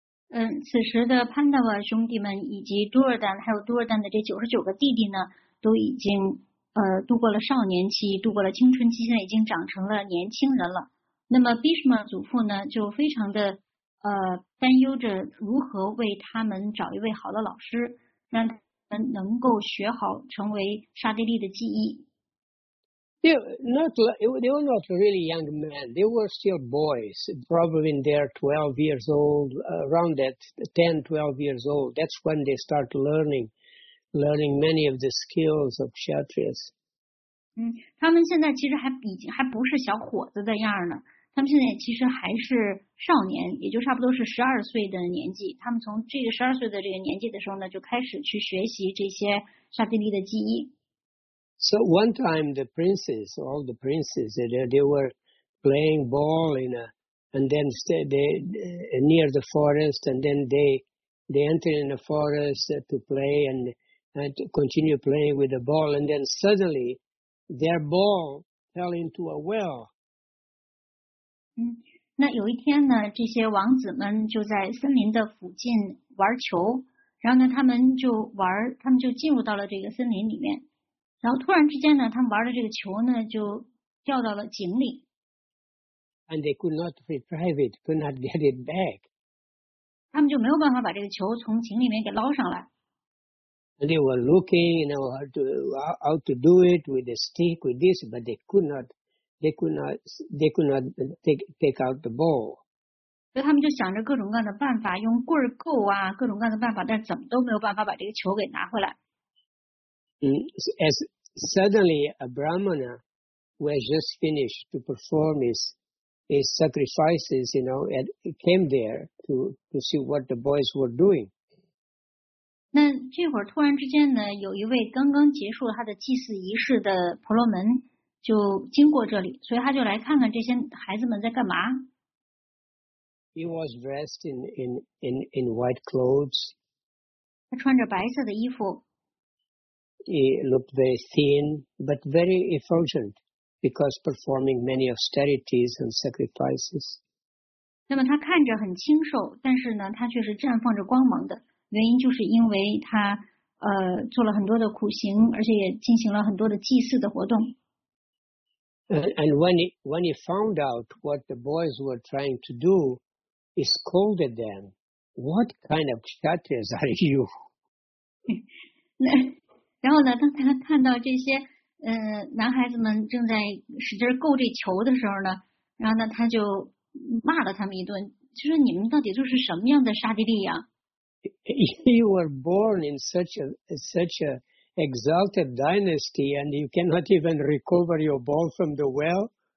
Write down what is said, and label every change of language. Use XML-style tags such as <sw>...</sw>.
<zh>此时的 Pandava 兄弟们以及 Duryodhana 还有 Duryodhana 的这99个弟弟呢，都已经度过了少年期，度过了青春期，现在已经长成了年轻人了。那么 Bhishma 祖父呢，就非常的担忧着如何为他们找一位好的老师，让他们能够学好，成为沙地利的技艺。</zh> <en>They were not really young men. They were still boys, probably in their 12 years old, around that 10-12 years old. That's when they start learning many of the skills of Kshatriyas.</en> <zh>他们现在其实还不是小伙子的样呢，他们现在其实还是少年，也就差不多是12岁的年纪，他们从这个12岁的这个年纪的时候呢，就开始去学习这些沙地利的技艺。</zh> <en>So one time the princes, all the princes, they were playing ball in a, and then they near the forest, and then they entered in the forest to play and to continue playing with the ball, and then suddenly their ball fell into a well.</en> <zh>那有一天呢，这些王子们就在森林的附近玩球，然后呢，他们就进入到了这个森林里面，然后突然之间呢，他们玩的这个球呢，就掉到了井里。</zh> <en>And they could not retrieve it, could not get it back.</en> <zh>他们就没有办法把这个球从井里面给捞上来。</zh> <en>And they were looking, you know, how to do it with a stick, with this, but they could not take out the ball.</en> <zh>所以他们就想着各种各样的办法，用棍够啊，各种各样的办法，但怎么都没有办法把这个球给拿回来。</zh> <en>As suddenly a brahmana who had just finished to perform his sacrifices, you know, and came there to see what the boys were doing.</en> <zh>那这会儿突然之间呢，有一位刚刚结束他的祭祀仪式的婆罗门就经过这里，所以他就来看看这些孩子们在干嘛。</zh> <en>He was dressed in white clothes.</en> <zh>他穿着白色的衣服。</zh> <en>He looked very thin, but very effulgent because performing many austerities and sacrifices.</en> <zh>那么他看着很清瘦，但是呢，他却是绽放着光芒的。原因就是因为他做了很多的苦行，而且也进行了很多的祭祀的活动。</zh> <en>And when he found out what the boys were trying to do, he scolded them. What kind of kshatriyas are you?</en> <zh>然后呢，当他看到这些男孩子们正在使劲够这球的时候呢，然后呢他就骂了他们一顿，就说你们到底都是什么样的沙地利呀？</zh> <en>You were born in such a exalted dynasty, and you cannot even recover your ball from the well.</en>